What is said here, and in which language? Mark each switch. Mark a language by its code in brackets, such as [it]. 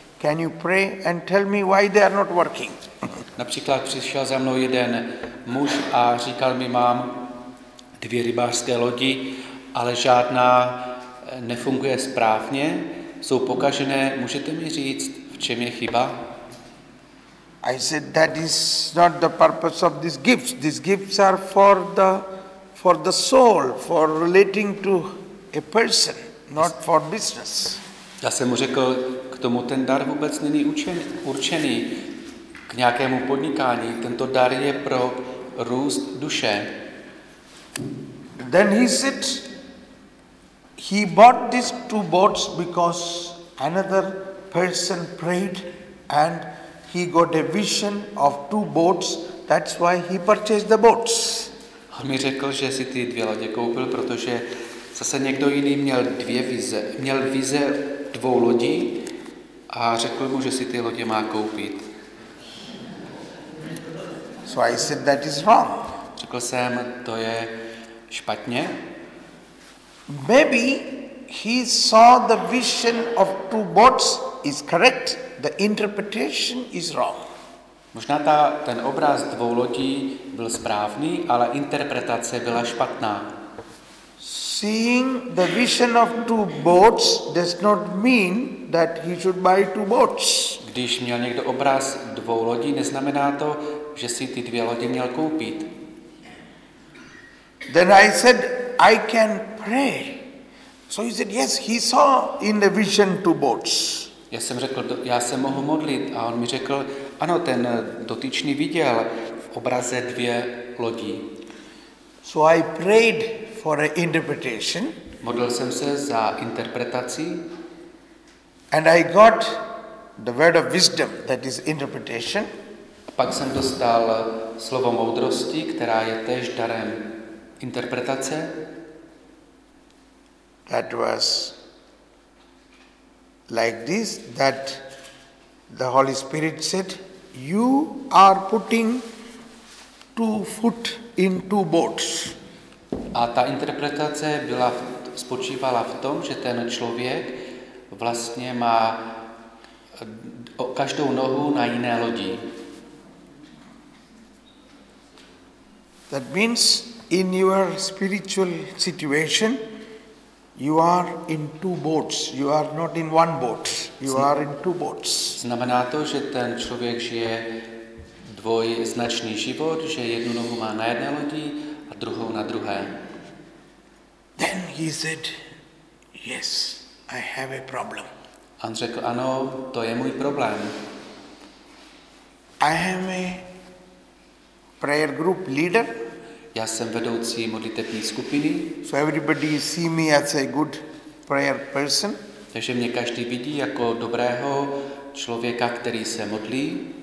[en] Can you pray and tell me why they are not working? [cs] Například přišel za mnou jeden muž a říkal mi, mám dvě rybářské lodi, ale žádná nefunguje správně, jsou pokažené, můžete mi říct, v čem je chyba? [en] I said that is not the purpose of these gifts. These gifts are for the soul, for relating to a person, not for business. [cs] Já jsem mu řekl, k tomu ten dar vůbec není určený k nějakému podnikání. Tento dar je pro růst duše. [en] Then he said, he bought these two boats because another person prayed and he got a vision of two boats. That's why he purchased the boats. [cs] On mi řekl, že si ty dvě lodě koupil, protože zase někdo jiný měl dvě vize, měl vize dvou lodí a řekl mu, že si ty lodě má koupit. [en] So I said that is wrong. [cs] Řekl jsem, to je špatně. [en] Maybe he saw the vision of two boats is correct, the interpretation is wrong. [cs] Možná ten obraz dvou lodí byl správný, ale interpretace byla špatná. [en] Seeing the vision of two boats does not mean that he should buy two boats. [cs] Když měl někdo obraz dvou lodí, neznamená to, že si ty dvě lodi měl koupit. [en] Then I said, I can pray. So he said, yes, he saw in the vision two boats. [cs] Já jsem řekl, já se mohu modlit, a on mi řekl, ano, ten dotyčný viděl v obraze dvě lodí. [en] So I prayed for an interpretation. [cs] Modlil jsem se za interpretaci. [en] And I got the word of wisdom, that is interpretation. [cs] A pak jsem dostal slovo moudrosti, která je též darem interpretace. [en] That was like this, that the Holy Spirit said, you are putting two foot in two boats. [cs] A ta interpretace byla spočívala v tom, že ten člověk vlastně má každou nohu na jiné lodi. [en] That means in your spiritual situation, you are in two boats. You are not in one boat. You are in two boats. [cs] Znamená to, že ten člověk žije dvojznačný život, že jednu nohu má na jedné lodi a druhou na druhé. [en] Then he said, "Yes, I have a problem." [cs] On řekl, ano, to je můj problém. [en] I am a prayer group leader. [cs] Já jsem vedoucí modlitební skupiny. [en] So everybody see me as a good prayer person. [cs] Takže mě každý vidí jako dobrého člověka, který se modlí.